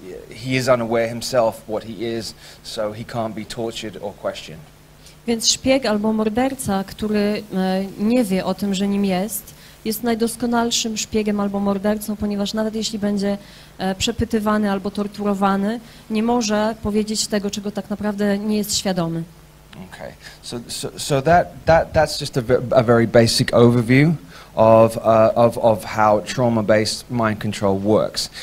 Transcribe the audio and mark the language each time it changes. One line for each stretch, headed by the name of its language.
English: He is unaware himself what he is, so he can't be tortured or questioned.
Polish: Więc szpieg albo morderca, który nie wie o tym, że nim jest, jest najdoskonalszym szpiegiem albo mordercą, ponieważ nawet jeśli będzie przepytywany albo torturowany, nie może powiedzieć tego, czego tak naprawdę nie jest świadomy.
English: Okay. So that's just a very basic overview of how trauma-based mind control works.